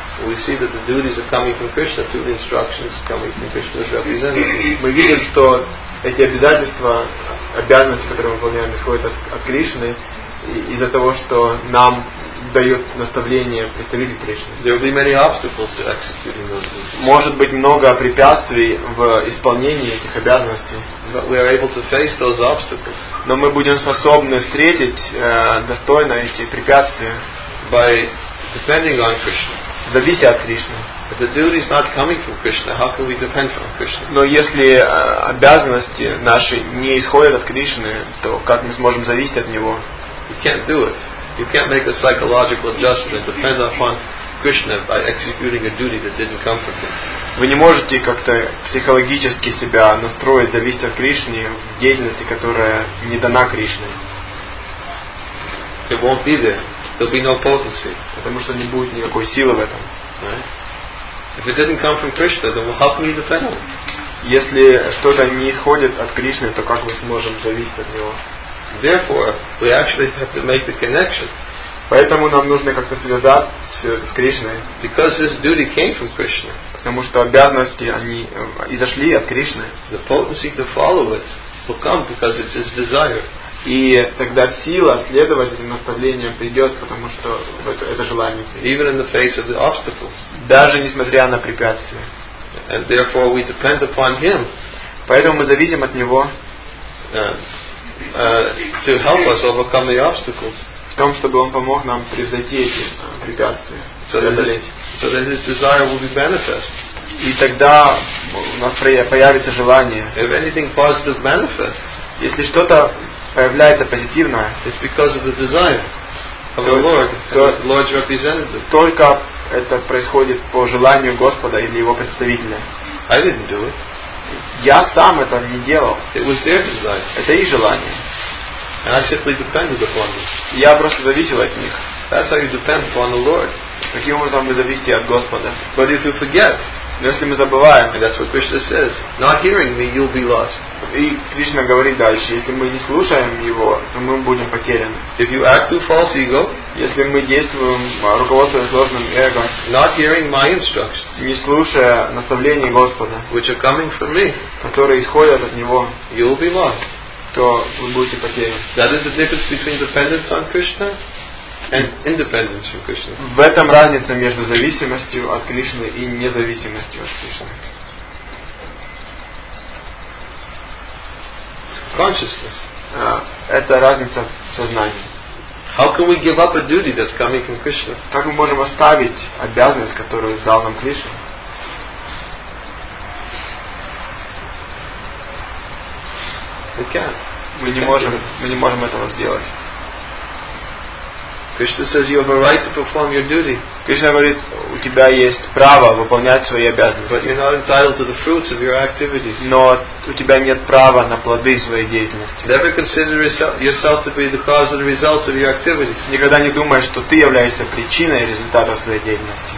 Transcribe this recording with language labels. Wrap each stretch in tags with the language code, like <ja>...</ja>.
<en>We see that the duties are coming from Krishna through the instructions coming from Krishna's representative.</en> <ru>Мы видим, что эти обязательства, обязанности, которые мы выполняем, исходят от Кришны из-за того, что нам дают наставление представитель Кришны.</ru> <en>There will be many obstacles to executing those duties.</en> <ru>Может быть много препятствий в исполнении этих обязанностей.</ru> <en>But we are able to face those obstacles.</en> <ru>Но мы будем способны встретить достойно эти препятствия.</ru> <en>By depending on Krishna.</en> <ru>Зависи от Кришны.</ru> <en>But the duty is not coming from Krishna. How can we depend on Krishna?</en> <ru>Но если обязанности наши не исходят от Кришны, то как мы сможем зависеть от него?</ru> <en>You can't do it. You can't make a psychological adjustment depend upon Krishna by executing a duty that didn't come from him.</en> <ru>Вы не можете как-то психологически себя настроить зависеть от Кришны в деятельности, которая не дана Кришне.</ru> <en>It won't be there. There'll be no potency.</en> <ru>Потому что не будет никакой силы в этом.</ru> <en>Right? If it didn't come from Krishna, then how can we depend on it?</en> <ru>Если что-то не исходит от Кришны, то как мы сможем зависеть от него?</ru> <en>Therefore, we actually have to make the connection.</en> <ru>Поэтому нам нужно как-то связаться с Кришной.</ru> <en>Because this duty came from Krishna.</en> <ru>Потому что обязанности они изошли от Кришны.</ru> <en>The potency to follow it will come because it's his desire.</en> <ru>И тогда сила следовать этим наставлениям придет, потому что это желание.</ru> <en>Even in the face of the obstacles.</en> <ru>Даже несмотря на препятствия.</ru> <en>And therefore we depend upon him.</en> <ru>Поэтому мы зависим от него.</ru> <en>To help us overcome the obstacles.</en> <ru>В том, чтобы он помог нам превзойти эти препятствия.</ru> <en>So that his desire will be manifest.</en> <ru>И тогда у нас появится желание.</ru> <en>If anything positive manifests,</en> <ru>если что-то появляется позитивное,</ru> <en>it's because of the desire of the Lord, the Lord's representative.</en> <ru>Только это происходит по желанию Господа или Его представителя.</ru> <en>I didn't do it.</en> <ru>Я сам это не делал.</ru> <en>It was their desire.</en> <ru>Это их желание.</ru> <en>And I simply depended upon them.</en> <ru>Я просто зависел от них.</ru> <en>That's how you depend upon the Lord.</en> <ru>Таким образом вы зависите от Господа.</ru> <en>But if you forget,</en> <ru>но если мы забываем,</ru> <en>and that's what Krishna says, not hearing me, you'll be lost.</en> <ru>И Кришна говорит дальше, если мы не слушаем Его, то мы будем потеряны.</ru> <en>If you act through false ego,</en> <ru>если мы действуем, руководствуясь ложным эго,</ru> <en>not hearing my instructions,</en> <ru>не слушая наставления Господа,</ru> <en>which are coming from me,</en> <ru>которые исходят от Него,</ru> <en>you'll be lost.</en> <ru>То вы будете потеряны.</ru> <en>That is the difference between dependence on Krishna and independence from Krishna.</en> <ru>В этом разница между зависимостью от Кришны и независимостью от Кришны.</ru> <en>Consciousness.</en> <ru>Это разница в сознании.</ru> <en>How can we give up a duty that's coming from Krishna?</en> <ru>Как мы можем оставить обязанность, которую дал нам Кришна?</ru> <en>We can't.</en> <ru>Мы не можем этого сделать.</ru> <en>Krishna says you have a right to perform your duty.</en> <ru>Кришна говорит, у тебя есть право выполнять свои обязанности.</ru> <en>But you're not entitled to the fruits of your activities.</en> <ru>Но у тебя нет права на плоды своей деятельности.</ru> <en>Never consider yourself to be the cause of the results of your activities.</en> <ru>Никогда не думай, что ты являешься причиной результата своей деятельности.</ru>